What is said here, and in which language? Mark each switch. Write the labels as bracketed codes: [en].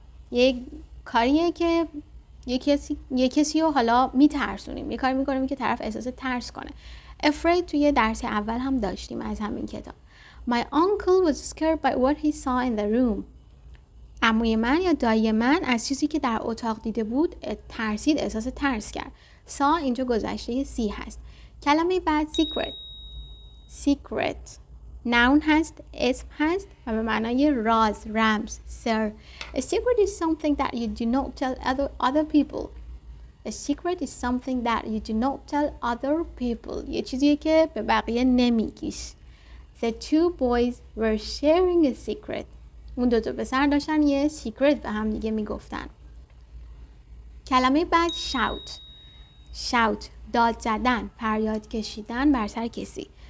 [fa] یک کاریه که یک کسی رو حالا میترسونیم. یک کاری میکنیم که طرف احساس ترس کنه. Afraid توی درس اول هم داشتیم از همین کتاب. [en] My uncle was scared by what he saw in the room. [fa] عموی من یا دایی من از چیزی که در اتاق دیده بود ترسید، احساس ترس کرد. saw اینجا گذشته سی هست. کلمه بعد secret. secret noun هست، اسم هست و به معنای راز، رمز، سر. [en] A secret is something that you do not tell other people. A secret is something that you do not tell other people. [fa] یه چیزیه که به بقیه نمیگیش. [en] The two boys were sharing a secret. [fa] اون دو تا پسر داشتن یه secret به هم دیگه میگفتن. کلمه بعد shout. shout داد زدن، فریاد کشیدن بر سر کسی.